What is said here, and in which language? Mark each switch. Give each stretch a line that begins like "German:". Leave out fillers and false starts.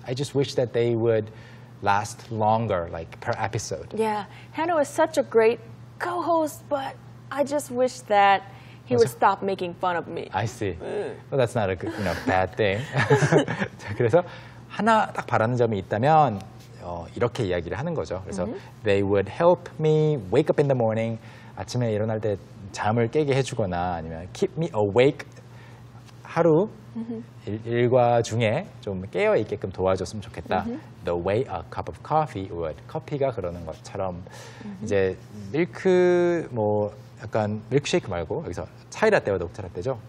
English: I just wish that they would last longer, like per episode. Yeah, Hannah is such a great co-host, but I just wish that he would stop making fun of me. I see. Well, that's not a good, you know, bad thing.
Korean: 자, 그래서 하나 딱 바라는 점이 있다면 이렇게 이야기를 하는 거죠. 그래서 mm-hmm.
English: they would help me wake up in the morning.
Korean: 아침에 일어날 때 잠을 깨게 해주거나 아니면
English: keep me awake.
Korean: 하루 일과 중에 좀 깨어 있게끔 도와줬으면 좋겠다.
English: The way a cup of coffee would.
Korean: 커피가 그러는 것처럼 이제 밀크 뭐 약간 밀크쉐이크 말고 여기서 차이 라떼와 녹차 라떼죠.